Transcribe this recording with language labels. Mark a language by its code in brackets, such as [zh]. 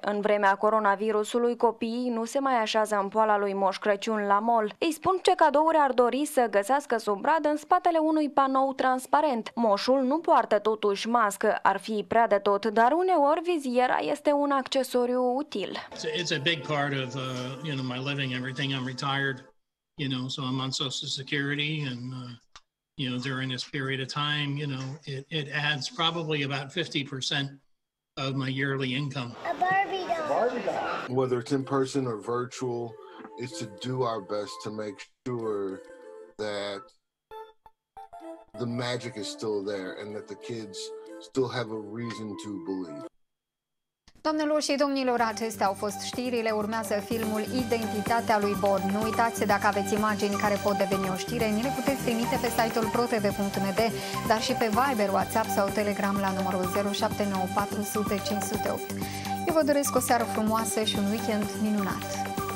[ro] În vremea coronavirusului, copiii nu se mai așează în poala lui Moș Crăciun la mall. Îi spun ce cadouri ar dori să găsească sub brad în spatele unui panou transparent. Moșul nu poartă totuși mască, ar fi prea de tot, dar uneori viziera este un accesoriu util. [en] It's a big part of you know, my living, everything. I'm retired, you know, so I'm on Social Security, and you know, during this period of time, you know, it adds probably about 50% of my yearly income. A Barbie doll. Whether it's in person or virtual, it's to do our best to make sure that the magic is still there and that the kids still have a reason to believe. [ro] Domnilor și domnilor, acestea au fost știrile. Urmează filmul Identitatea lui Born. Nu uitați, dacă aveți imagini care pot deveni o știre, ni le puteți trimite pe site-ul protv.md, dar și pe Viber, WhatsApp sau Telegram la numărul 0794 100 508. Eu vă doresc o seară frumoasă și un weekend minunat!